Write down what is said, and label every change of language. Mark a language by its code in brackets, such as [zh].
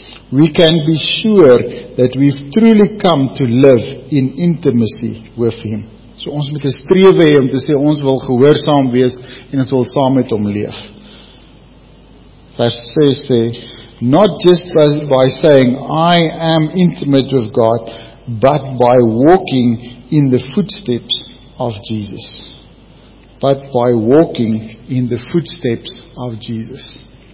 [en] We can be sure that we've truly come to live in intimacy with him. [af] So ons moet 'n strewe hê om te sê ons wil gehoorsaam wees en ons wil saam met hom leef. Vers 6 sê, [en] not just by saying I am intimate with God, but by walking in the footsteps of Jesus. But by walking in the footsteps of Jesus.